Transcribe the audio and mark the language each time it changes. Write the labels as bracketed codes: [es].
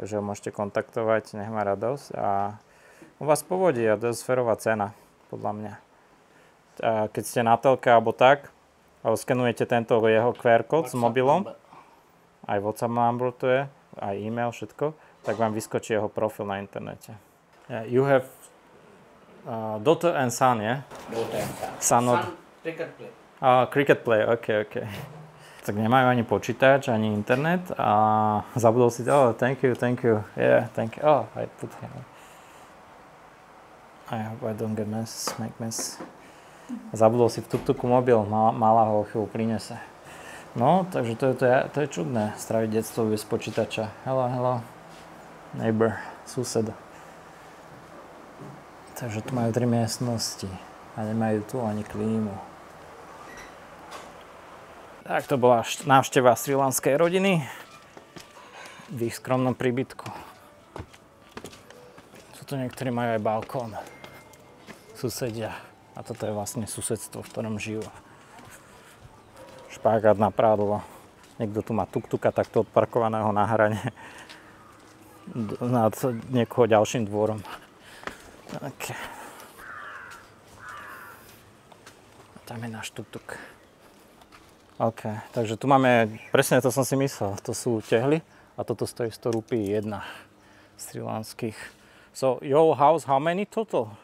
[sk] Takže ho môžete kontaktovať, nech má radosť. A u vás povodí a to je sférová cena, podľa mňa. A keď ste na telke alebo tak, alebo skenujete tento jeho QR kód s mobilom, aj WhatsApp number to je, aj e-mail, všetko, tak vám vyskočí jeho profil na internete. [en] Yeah, you have daughter and son, yeah? Daughter and son. Son, cricket player. Cricket player, okay, okay. [sk] Tak nemajú ani počítač, ani internet a zabudol si, [en] oh, thank you, yeah, thank you, oh, I put here. I hope I don't get mess, make mess. [sk] Zabudol si v tuk-tuku mobil, malá ho chvíľu prinese. No, takže to je čudné, straviť detstvo bez počítača. [en] Hello, hello, neighbor, [sk] sused. Takže tu majú 3 miestnosti a nemajú tu ani klímu. Tak to bola návšteva srilanskej rodiny v ich skromnom príbytku. Sú tu niektorí majú aj balkón, susedia. A toto je vlastne susedstvo, v ktorom žijú. Špagát na prádlo. Niekto tu má tuk-tuka takto odparkovaného na hrane. Nad niekoho ďalším dvorom. Tak. A tam je náš tuk-tuk. OK, takže tu máme, presne to som si myslel, to sú tehly. A toto stojí 100 rupí, jedna srilanských. [en] So, your house, how many total?